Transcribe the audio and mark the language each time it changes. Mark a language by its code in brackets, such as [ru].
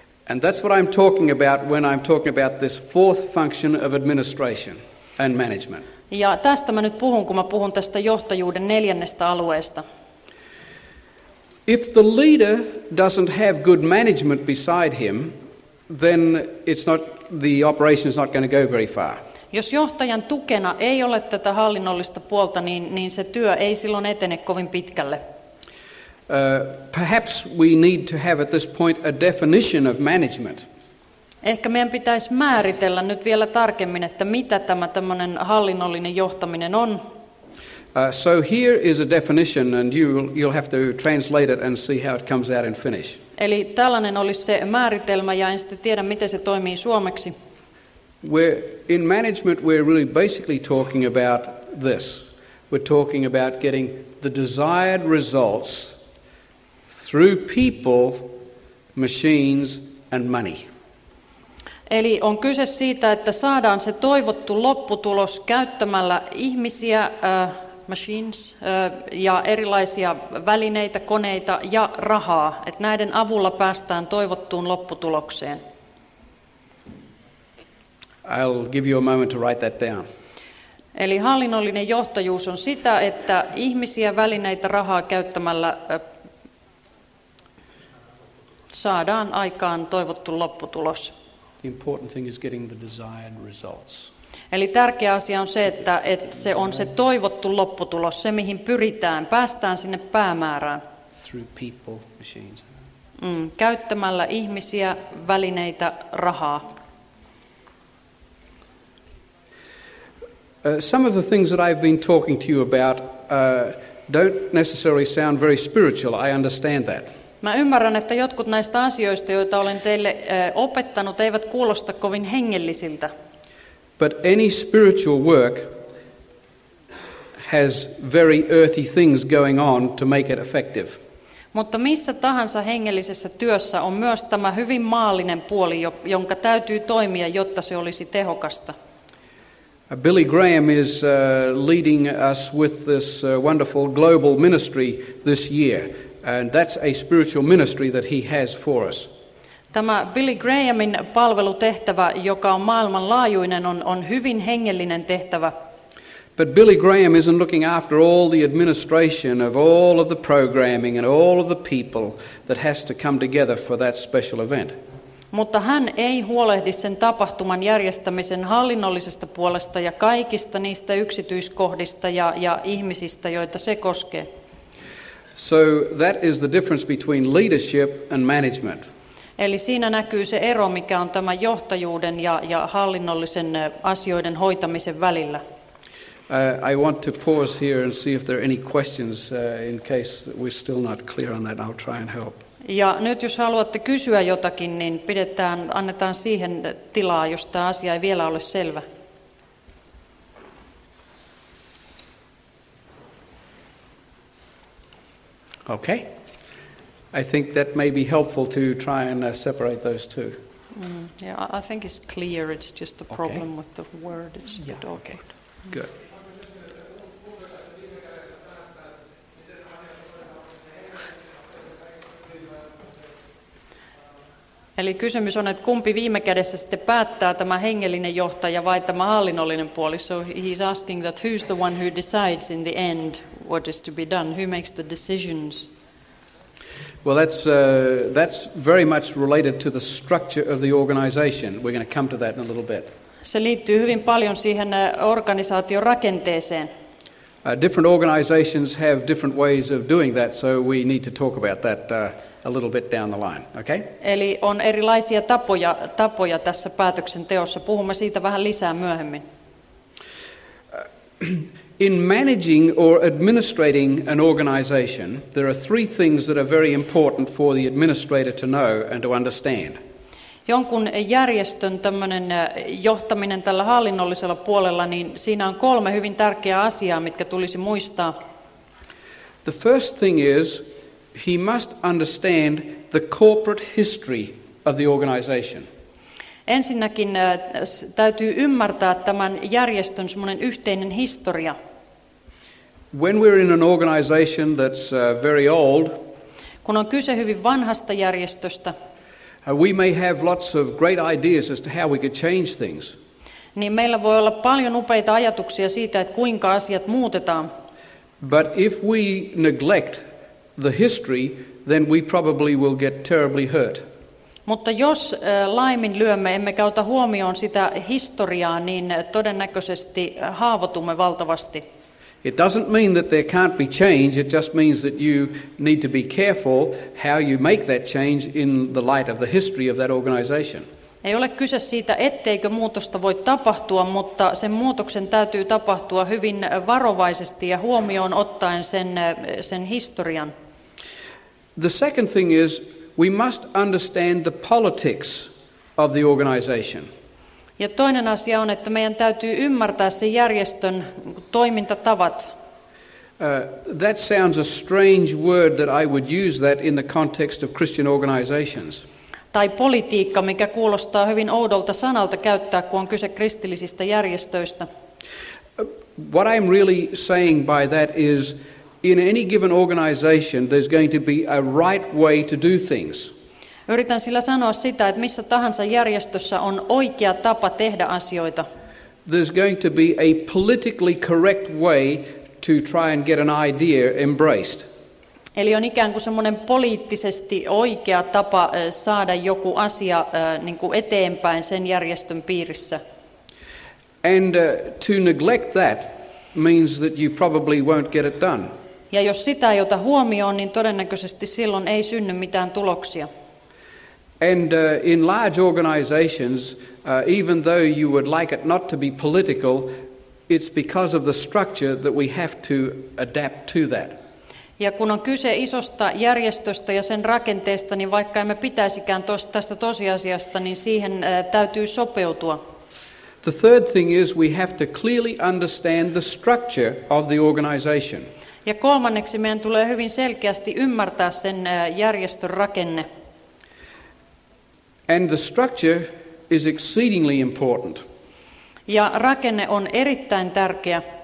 [en] And that's what I'm talking about when I'm talking about this fourth function of administration and management. [fi] Ja tästä mä nyt puhun, kun mä puhun tästä johtajuuden neljännestä alueesta. [en] If the leader doesn't have good management beside him, then the operation is not going to go very far. [fi] Jos johtajan tukena ei ole tätä hallinnollista puolta, niin se työ ei silloin etene kovin pitkälle. [en] Perhaps we need to have at this point a definition of management. [fi] Ehkä meidän pitäisi määritellä nyt vielä tarkemmin, että mitä tämä tämmöinen hallinnollinen johtaminen on. [en] So here is a definition and you'll have to translate it and see how it comes out in Finnish. [fi] Eli tällainen olisi se määritelmä ja en sitten tiedä, miten se toimii suomeksi. [en] In management we're really basically talking about this. We're talking about getting the desired results through people, machines and money. [fi] Eli on kyse siitä, että saadaan se toivottu lopputulos käyttämällä ihmisiä, machines, ja erilaisia välineitä, koneita ja rahaa. Että näiden avulla päästään toivottuun lopputulokseen. [en] I'll give you a moment to write that down. [fi] Eli hallinnollinen johtajuus on sitä, että ihmisiä, välineitä, rahaa käyttämällä saadaan aikaan toivottu lopputulos. [en] The important thing is getting the desired results. [fi] Eli tärkeä asia on se, että se on se toivottu lopputulos, se mihin pyritään, päästään sinne päämäärään. [en] Through people, machines. [fi] Käyttämällä ihmisiä, välineitä, rahaa. [en] Some of the things that I've been talking to you about don't necessarily sound very spiritual. I understand that. [fi] Mä ymmärrän, että jotkut näistä asioista, joita olen teille opettanut, eivät kuulosta kovin hengellisiltä. [en] But any spiritual work has very earthy things going on to make it effective. [fi] Mutta missä tahansa hengellisessä työssä on myös tämä hyvin maallinen puoli, jonka täytyy toimia, jotta se olisi tehokasta. [en] Billy Graham is leading us with this wonderful global ministry this year, and that's a spiritual ministry that he has for us. [fi] Tämä Billy Grahamin palvelutehtävä, joka on maailmanlaajuinen, on hyvin hengellinen tehtävä. [en] But Billy Graham isn't looking after all the administration of all of the programming and all of the people that has to come together for that special event. [fi] Mutta hän ei huolehdi sen tapahtuman järjestämisen hallinnollisesta puolesta ja kaikista niistä yksityiskohdista ja ihmisistä, joita se koskee. [en] So that is the difference between leadership and management. [fi] Eli siinä näkyy se ero, mikä on tämä johtajuuden ja hallinnollisen asioiden hoitamisen välillä. [en] I want to pause here and see if there are any questions in case we're still not clear on that. I'll try and help. [fi] Ja nyt jos haluatte kysyä jotakin, niin pidetään, annetaan siihen tilaa, jos tämä asia ei vielä ole selvä. [en] Okay. I think that may be helpful to try and separate those two. Mm, yeah, I think it's clear. It's just the problem okay. with the word. It's yeah, the dog. Okay. Good. [fi] Eli kysymys on, että kumpi viime kädessä sitten päättää, tämä hengellinen johtaja vai tämä hallinnollinen puoli? [en] So he's asking that who's the one who decides in the end what is to be done? Who makes the decisions? Well, that's very much related to the structure of the organization. We're going to come to that in a little bit. [fi] Se liittyy hyvin paljon siihen organisaation rakenteeseen. [en] Different organizations have different ways of doing that, so we need to talk about that a little bit down the line, okay? [fi] Eli on erilaisia tapoja tässä päätöksenteossa. Puhumme siitä vähän lisää myöhemmin. [en] In managing or administrating an organization, there are three things that are very important for the administrator to know and to understand. [fi] Jonkun järjestön tämmöinen johtaminen tällä hallinnollisella puolella, niin siinä on kolme hyvin tärkeää asiaa, mitkä tulisi muistaa. [en] The first thing is, he must understand the corporate history of the organization. [fi] Ensinnäkin täytyy ymmärtää tämän järjestön semmoinen yhteinen historia. [en] When we're in an organization that's very old, [fi] kun on kyse hyvin vanhasta järjestöstä, [en] we may have lots of great ideas as to how we could change things. [fi] Niin meillä voi olla paljon upeita ajatuksia siitä, että kuinka asiat muutetaan. [en] But if we neglect the history, then we probably will get terribly hurt. [fi] Mutta jos laiminlyömme, emmekä ota huomioon sitä historiaa, niin todennäköisesti haavoitumme valtavasti. [en] It doesn't mean that there can't be change, it just means that you need to be careful how you make that change in the light of the history of that organization. [fi] Ei ole kyse siitä, etteikö muutosta voi tapahtua, mutta sen muutoksen täytyy tapahtua hyvin varovaisesti ja huomioon ottaen sen historian. [en] The second thing is, we must understand the politics of the organization. [fi] Ja toinen asia on, että meidän täytyy ymmärtää sen järjestön toimintatavat. [en] That sounds a strange word that I would use that in the context of Christian organizations. [fi] Tai politiikka, mikä kuulostaa hyvin oudolta sanalta käyttää, kun on kyse kristillisistä järjestöistä. [en] What I'm really saying by that is, in any given organization, there's going to be a right way to do things. [fi] Yritän sillä sanoa sitä, että missä tahansa järjestössä on oikea tapa tehdä asioita. [en] There's going to be a politically correct way to try and get an idea embraced. [fi] Eli on ikään kuin semmoinen poliittisesti oikea tapa saada joku asia niin kuin eteenpäin sen järjestön piirissä. [en] And to neglect that means that you probably won't get it done. [fi] Ja jos sitä ei ota huomioon, niin todennäköisesti silloin ei synny mitään tuloksia. [en] And in large organizations, even though you would like it not to be political, it's because of the structure that we have to adapt to that. [fi] Ja kun on kyse isosta järjestöstä ja sen rakenteesta, niin vaikka emme pitäisikään tästä tosiasiasta, niin siihen täytyy sopeutua. [en] The third thing is we have to clearly understand the structure of the organization. [fi] Ja kolmanneksi meidän tulee hyvin selkeästi ymmärtää sen järjestön rakenne. [en] And the structure is exceedingly important. [fi] Ja rakenne on erittäin tärkeä.